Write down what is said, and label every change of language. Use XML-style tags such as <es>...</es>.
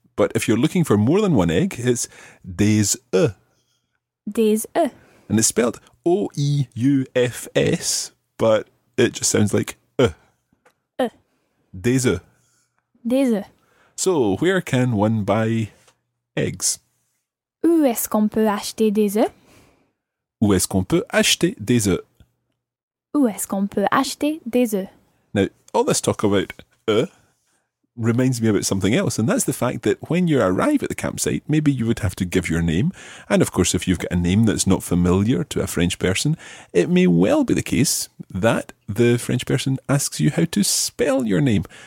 <en>But if you're looking for more than one egg, it's</en> <fr>des œufs. Des œufs.</fr> <en>And it's spelled O-E-U-F-S, but it just sounds like œuf.</en> <fr>Œuf. Des œufs. Des œufs.</fr> <en>So, where can one buy eggs?</en> <fr>Où est-ce qu'on peut acheter des œufs? Où est-ce qu'on peut acheter des œufs? Où est-ce qu'on peut acheter des œufs?</fr> <en>Now, all this talk about œufs reminds me about something else, and that's the fact that when you arrive at the campsite, maybe you would have to give your name. And of course, if you've got a name that's not familiar to a French person, it may well be the case that the French person asks you how to spell your name.</en>